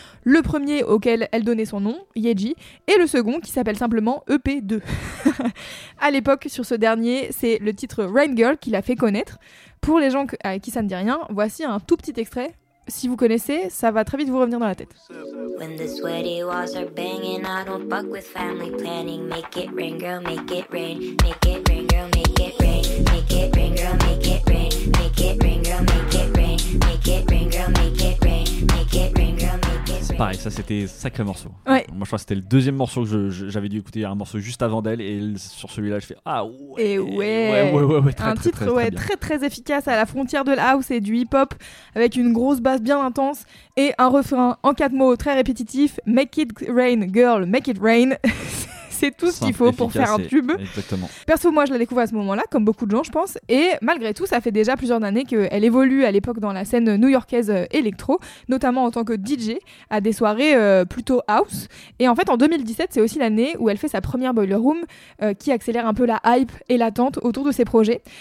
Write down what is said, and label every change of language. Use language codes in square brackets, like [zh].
[fr] Le premier auquel elle donnait son nom, Yeji, et le second qui s'appelle simplement EP2. À l'époque, sur ce dernier, c'est le titre Rain Girl qui l'a fait connaître. Pour les gens à qui ça ne dit rien, voici un tout petit extrait. Si vous connaissez, ça va très vite vous revenir dans la tête. [en] When the sweaty walls are banging, I don't fuck with family planning. Make it rain, girl, make it rain. Make it rain, girl, make it rain. Make it rain, girl, make it rain. Make it rain, girl, make it rain. Make it rain, girl, make it rain. Make it rain, girl, make it rain. [fr] Pareil, ça c'était sacré morceau. Ouais. Moi je crois que c'était le deuxième morceau que j'avais dû écouter, un morceau juste avant d'elle, et sur celui-là je fais ah ouais. Et ouais. Un titre très efficace à la frontière de la house et du hip-hop, avec une grosse basse bien intense et un refrain en quatre mots très répétitif. [en] Make it rain, girl, make it rain. [fr] C'est tout ce qu'il faut pour faire un tube. Exactement. Perso, moi, je la découvre à ce moment-là, comme beaucoup de gens, je pense. Et malgré tout, ça fait déjà plusieurs années qu'elle évolue à l'époque dans la scène new-yorkaise électro, notamment en tant que DJ à des soirées plutôt house. Et en fait, en 2017, c'est aussi l'année où elle fait sa première Boiler Room qui accélère un peu la hype et l'attente autour de ses projets.